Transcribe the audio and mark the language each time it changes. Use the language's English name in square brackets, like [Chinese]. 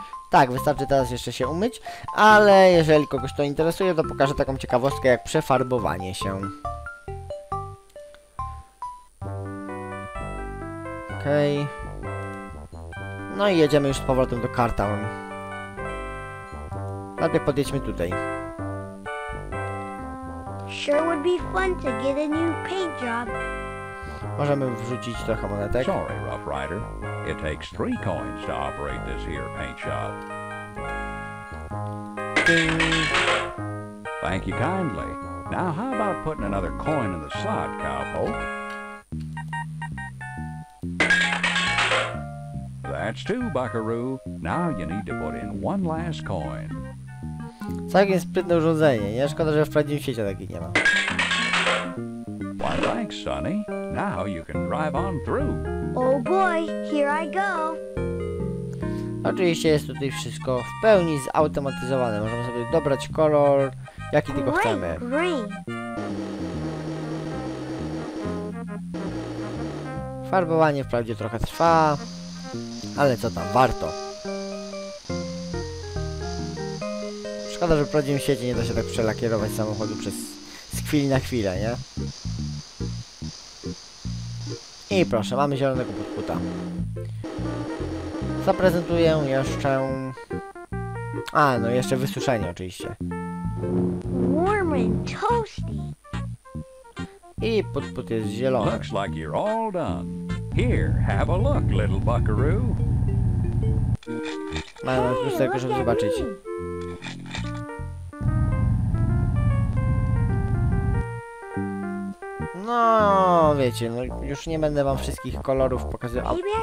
[Polish] Tak, wystarczy teraz jeszcze się umyć, ale jeżeli kogoś to interesuje, to pokażę taką ciekawostkę jak przefarbowanie się. Okej. No i jedziemy już z powrotem do Cartown. Najpierw podjedźmy tutaj. [English] Sure would be fun to get a new paint job. [Polish] Możemy wrzucić trochę monetek. [English] Sorry, Rough Rider. It takes 3 coins to operate this here paint shop. Ding. Thank you kindly. Now how about putting another coin in the slot, cowpoke? That's two, Buckaroo. Now you need to put in one last coin. [Polish] Całkiem sprytne urządzenie. Nie szkoda, że w prawdziwym świecie takich nie ma. [English] Why, thanks, Sonny. Now you can drive on through. Oh boy, here I go. [Polish] Oczywiście jest tutaj wszystko w pełni zautomatyzowane. Możemy sobie dobrać kolor, jaki tylko chcemy. [English] Green. [Polish] Farbowanie wprawdzie trochę trwa, ale co tam, warto. Szkoda, że w prawdziwym świecie nie da się tak przelakierować samochodu przez z chwili na chwilę, nie? I proszę, mamy zielonego podputa. Zaprezentuję jeszcze... A, no jeszcze wysuszenie oczywiście. [English] Warm and toasty. [Polish] I podput jest zielony. [English] Looks like you're all done. Here, have a look, little buckaroo. [Polish] Mamy na chusteczkę, żeby zobaczyć. No, wiecie, no już nie będę wam wszystkich kolorów pokazywał.